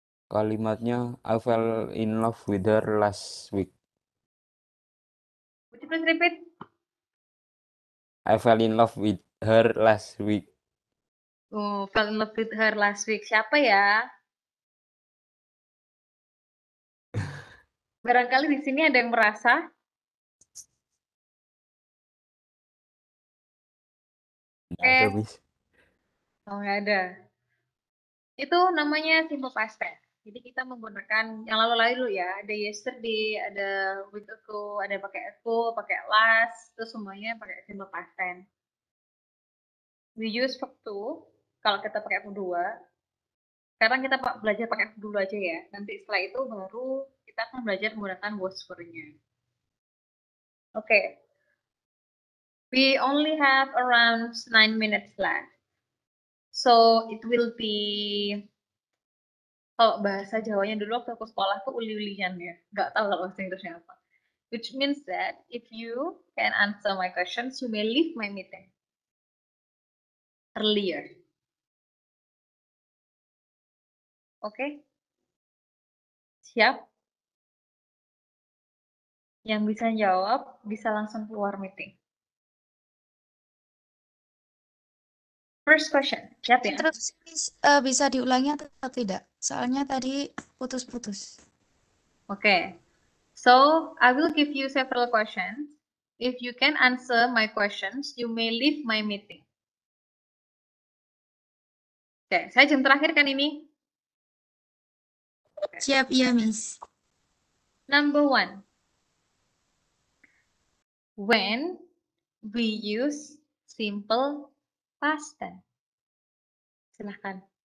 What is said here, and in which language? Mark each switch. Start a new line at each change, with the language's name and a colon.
Indonesian: Kalimatnya
English: I fell in love with her last week. Would you please repeat? I fell in love with her last week. Oh, fell in love with her last week.
Indonesian: Siapa ya? Barangkali di sini ada yang merasa. Nggak ada. Itu namanya simple past tense. Jadi kita menggunakan yang lalu-lalu ya. Ada yesterday, ada week ago, ada pakai ago, pakai last. Itu semuanya pakai
English: simple past tense. We use verb 2
Indonesian: kalau kita pakai
English: verb 2.
Indonesian: Sekarang kita belajar pakai verb 2 aja ya. Nanti setelah itu baru kita akan belajar menggunakan was-for-nya.
English: Oke. Okay. We only have around 9 minutes left. So, it will be...
Indonesian: Kalau bahasa Jawanya dulu waktu aku sekolah tuh uli-ulian ya. Nggak tahu kalau bahasa Inggrisnya apa.
English: Which means that if you can answer my questions, you may leave my meeting earlier.
Indonesian: Oke? Okay. Siap? Yang bisa jawab bisa langsung keluar meeting.
English: First question,
Indonesian: siap ya? Terus bisa diulangi atau tidak? Soalnya tadi putus-putus.
English: Oke. So, I will give you several questions. If you can answer my questions, you may leave my meeting. Oke, okay.
Indonesian: Saya jam terakhir kan ini? Okay. Siap ya, Miss.
English: Number one. When we use simple past tense.
Indonesian: Silakan.